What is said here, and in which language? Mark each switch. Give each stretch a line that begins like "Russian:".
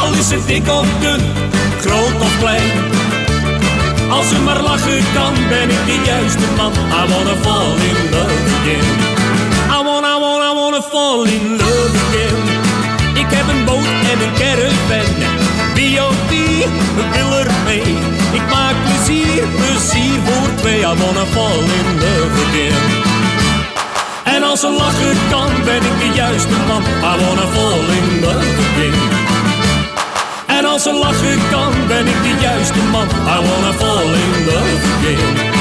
Dutch: Dik of dun, groot of klein. Als ze maar lachen kan, ben ik de juiste man.
English: I wanna fall in love again. I wanna fall in love again.
Dutch: Ik heb een boot en een caravan. B.O.B. we willen mee. Ik maak plezier, plezier voor twee.
English: I wanna fall in love again.
Dutch: En als ze lachen kan, ben ik de juiste man.
English: I wanna fall in love again.
Dutch: En als ze lachen kan, ben ik de juiste man.
English: I wanna fall in love again.